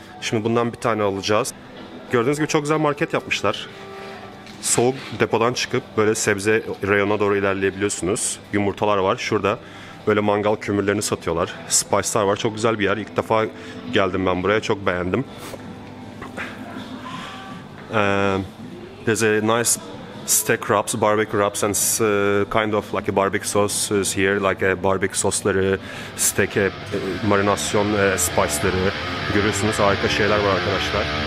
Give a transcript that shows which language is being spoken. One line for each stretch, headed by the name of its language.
Turkish: Şimdi bundan bir tane alacağız. Gördüğünüz gibi çok güzel market yapmışlar. Soğuk depodan çıkıp böyle sebze reyona doğru ilerleyebiliyorsunuz. Yumurtalar var. Şurada böyle mangal kömürlerini satıyorlar. Spice'lar var. Çok güzel bir yer. İlk defa geldim ben buraya. Çok beğendim.
English: There's a nice steak wraps, barbecue wraps and kind of like a barbecue sauce is here. Like a barbecue
Turkish: sosları, steak marinasyon spice'ları. Görüyorsunuz harika şeyler var arkadaşlar.